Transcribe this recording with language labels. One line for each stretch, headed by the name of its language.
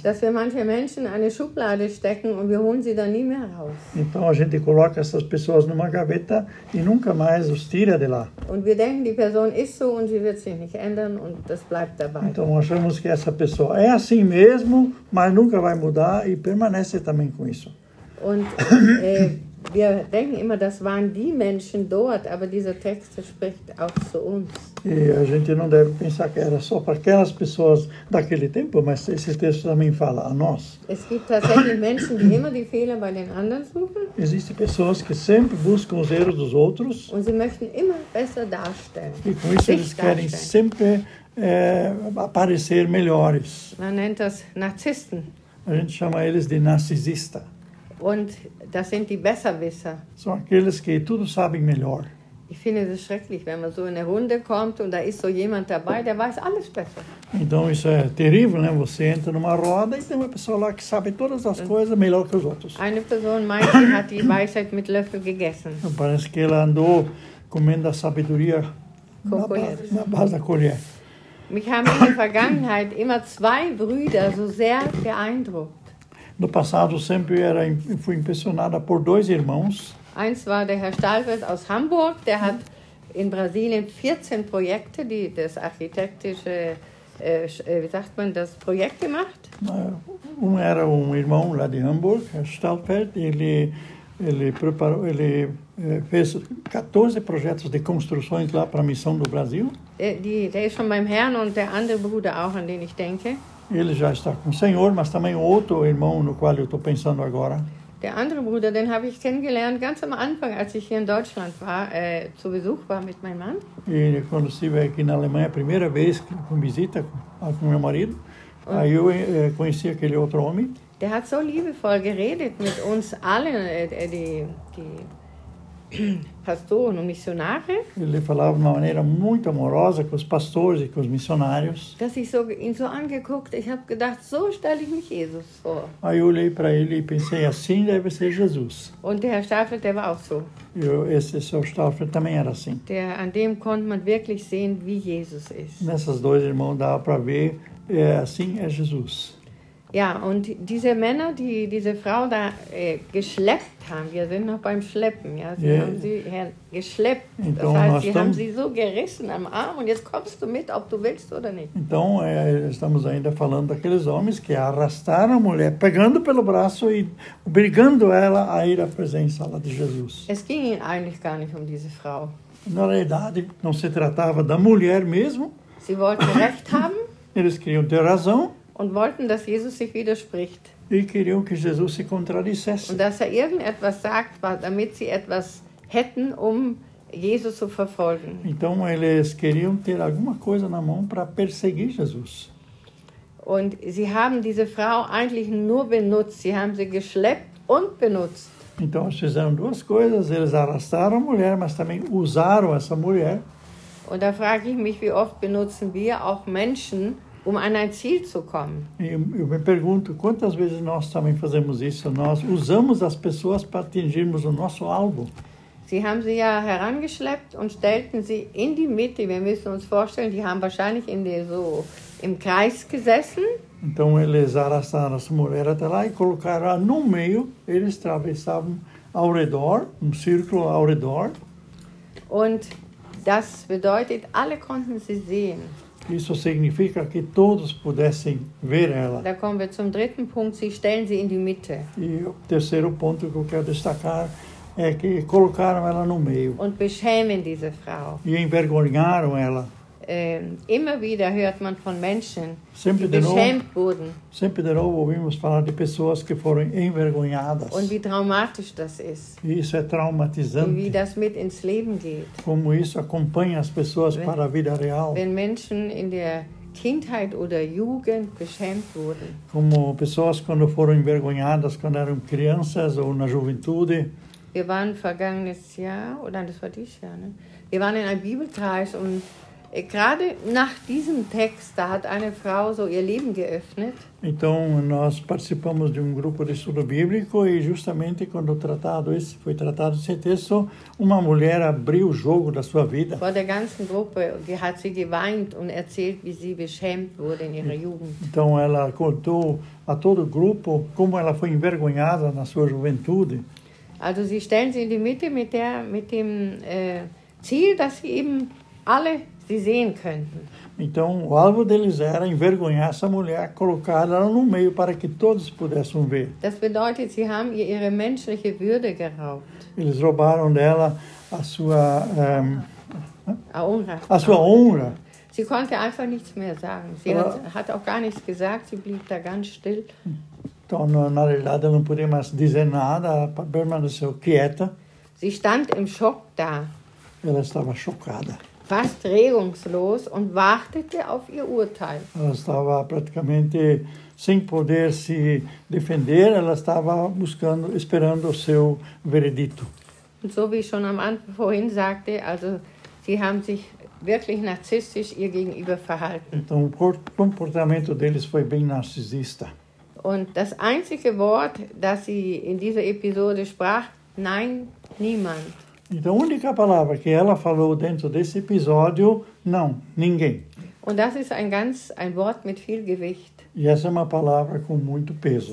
German: Dass wir manche Menschen eine Schublade stecken und wir holen sie dann nie mehr raus.
Portuguese: Então a gente coloca essas pessoas numa gaveta e nunca mais os tira de lá.
German: Und wir denken, die Person ist so und sie wird sich nicht ändern und das bleibt dabei.
Portuguese: Então achamos que essa pessoa é assim mesmo, mas nunca vai mudar e permanece também com isso.
German: Und wir denken immer, das waren die Menschen dort, aber dieser Text spricht auch zu uns.
Portuguese: E a gente não deve pensar que era só para aquelas pessoas daquele tempo, mas esse texto também fala a nós.
German: Es gibt tatsächlich Menschen, die immer die Fehler bei den anderen suchen.
Portuguese: Existem pessoas que sempre buscam os erros dos outros.
German: Und sie möchten immer besser darstellen.
Portuguese: E com isso eles querem sempre aparecer melhores.
German: Man nennt das Narzissten.
Portuguese: A gente chama eles de narcisista.
German: Und das sind die Besserwisser.
Portuguese: São aqueles que tudo sabem melhor.
German: Ich finde es schrecklich, wenn man so in eine Runde kommt und da ist so jemand dabei, der weiß alles besser.
Portuguese: Então isso é terrível, né? Você entra numa roda e tem uma pessoa lá que sabe todas as coisas melhor que os outros.
German: Eine Person meint, sie hat die Weisheit mit Löffel gegessen.
Portuguese: Parece que ela andou comendo a sabedoria na base da colher.
German: Mich haben in der Vergangenheit immer zwei Brüder so sehr beeindruckt.
Portuguese: No passado sempre era fui impressionada por dois irmãos.
German: Eins war der Herr Stahlfeld aus Hamburg, der hat in Brasilien 14 Projekte, die das architektische, wie sagt man, das Projekt gemacht.
Portuguese: Um era um irmão lá de Hamburg, Herr Stahlfeld, ele Ele preparou, ele fez 14 projetos de construções lá para a missão do Brasil.
German: Der ist schon beim Herrn und der andere Bruder auch, an den ich denke.
Portuguese: Ele já está com o Senhor, mas também outro irmão no qual eu estou pensando agora.
German: Der andere Bruder, den habe ich kennengelernt ganz am Anfang, als ich hier in Deutschland war, zu Besuch war mit meinem Mann.
Portuguese: E eu conheci aqui na Alemanha a primeira vez com visita com meu marido.
German: Und
Portuguese: aí eu conheci aquele outro homem.
German: Der hat so liebevoll geredet mit uns allen, die Pastoren und Missionare.
Portuguese: Ele falava de uma maneira muito amorosa com os pastores e com os missionários.
German: Dass ich so, ihn so angeguckt, ich habe gedacht, so stelle ich mich Jesus vor.
Portuguese: Aí eu olhei para ele e pensei, assim deve ser Jesus.
German: Und der Herr Stauffer, der war auch so.
Portuguese: Esse Sr. Stauffer também era assim.
German: Der, an dem konnte man wirklich sehen, wie Jesus ist.
Portuguese: Nessas dois irmãos dava para ver, assim é Jesus.
German: Ja, und diese Männer, die diese Frau da geschleppt haben, wir sind noch beim Schleppen, ja, sie haben sie geschleppt.
Portuguese: Então,
German: das heißt, sie haben sie so gerissen am Arm und jetzt kommst du mit, ob du willst oder nicht.
Portuguese: Então, estamos ainda falando daqueles homens que arrastaram a mulher, pegando pelo braço e obrigando ela a ir à presença lá de Jesus.
German: Es ging eigentlich gar nicht um diese Frau.
Portuguese: Na realidade, não se tratava da mulher mesmo.
German: Sie wollte recht haben.
Portuguese: Eles queriam ter razão.
German: Und wollten, dass Jesus sich widerspricht.
Portuguese: E queriam que Jesus se contradissesse.
German: Und dass er irgendetwas sagt, damit sie etwas hätten, um Jesus zu verfolgen.
Portuguese: Então eles queriam ter alguma coisa na mão para perseguir Jesus.
German: Und sie haben diese Frau eigentlich nur benutzt. Sie haben sie geschleppt und benutzt.
Portuguese: Então eles fizeram duas coisas. Eles arrastaram a mulher, mas também usaram essa mulher.
German: Und da frage ich mich, wie oft benutzen wir auch Menschen, um an ein Ziel zu kommen.
Portuguese: Eu me pergunto quantas vezes nós também fazemos isso. Nós usamos as pessoas para atingirmos o nosso alvo.
German: Sie haben sie ja herangeschleppt und stellten sie in die Mitte. Wir müssen uns vorstellen, die haben wahrscheinlich in der so im Kreis gesessen.
Portuguese: Então eles arrastaram essa mulher até lá e colocaram no meio. Eles atravessavam ao redor, círculo ao redor.
German: Und das bedeutet, alle konnten sie sehen.
Portuguese: Isso significa que todos pudessem ver ela.
German: Da kommen wir zum dritten Punkt, sie stellen sie in die Mitte.
Portuguese: E o terceiro ponto que eu quero destacar é que colocaram ela no meio.
German: Und beschämen diese Frau.
Portuguese: E envergonharam ela.
German: Immer wieder hört man von Menschen,
Portuguese: sempre
German: die beschämt wurden.
Portuguese: Sempre de novo ouvimos falar de pessoas que foram envergonhadas.
German: Und wie traumatisch das ist.
Portuguese: E isso é traumatizante. E
German: wie das mit ins Leben geht.
Portuguese: Como isso acompanha as pessoas
German: wenn,
Portuguese: para a vida real.
German: Wenn Menschen in der Kindheit oder Jugend beschämt wurden.
Portuguese: Como pessoas quando foram envergonhadas, quando eram crianças ou na juventude.
German: Wir waren vergangenes Jahr, oder das war dieses Jahr, ne? Wir waren in einem Bibelkreis und gerade nach diesem Text, da hat eine Frau so ihr Leben geöffnet.
Portuguese: Então nós participamos de grupo de estudo bíblico e justamente quando foi tratado esse texto, uma mulher abriu o jogo da sua vida.
German: Vor der ganzen Gruppe hat sie geweint und erzählt, wie sie beschämt wurde in ihrer Jugend.
Portuguese: Então ela contou a todo o grupo como ela foi envergonhada na sua juventude.
German: Also sie stellen sie in die Mitte mit dem Ziel, dass sie eben alle sie sehen könnten.
Portuguese: Então, o alvo deles era envergonhar essa mulher, colocar ela no meio para que todos pudessem ver.
German: Das bedeutet, sie haben ihre menschliche Würde geraubt.
Portuguese: Eles roubaram dela a sua honra.
German: Sie konnte einfach nichts mehr sagen. Sie hat auch gar nichts gesagt, sie blieb da ganz still.
Portuguese: Então, na realidade, ela não podia mais dizer nada, permaneceu quieta.
German: Sie stand im Schock da.
Portuguese: Ela estava chocada.
German: Fast regungslos und wartete auf ihr Urteil.
Portuguese: Ela estava praticamente sem poder se defender, ela estava buscando, esperando o seu veredito.
German: Und so wie ich schon am Anfang vorhin sagte, also sie haben sich wirklich narzisstisch ihr gegenüber verhalten.
Portuguese: Então o comportamento deles foi bem narcisista.
German: Und das einzige Wort, das sie in dieser Episode sprach, nein, niemand.
Portuguese: Então, a única palavra que ela falou dentro desse episódio, não, ninguém.
German: Und das ist ein Wort mit viel Gewicht.
Portuguese: E essa é uma palavra com muito peso.